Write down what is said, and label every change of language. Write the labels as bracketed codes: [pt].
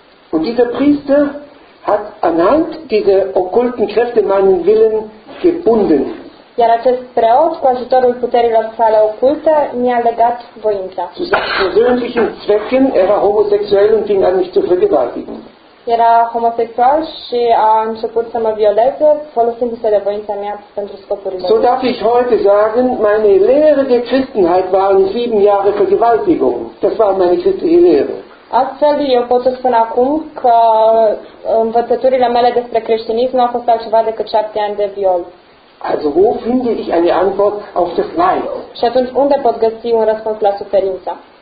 [de] Und dieser Priester hat anhand dieser okkulten Kräfte meinen Willen gebunden. [ro] Iar acest preot, cu ajutorul puterilor sale oculte, mi-a legat voința. [de] Zu persönlichen Zwecken, er war homosexuell und fing an mich zu vergewaltigen. [ro] Era homosexual și a început să mă violeze, folosindu-se de voința mea pentru scopurile. [de] So darf ich heute sagen, meine Lehre der Christenheit waren 7 Jahre Vergewaltigung. Das war meine christliche Lehre. [ro] Astfel, eu pot să spun acum că învățăturile mele despre creștinism nu au fost altceva decât 7 ani de viol. [de] Also wo finde ich eine Antwort auf das Leid? [ro] Și atunci unde pot găsi un răspuns la suferință?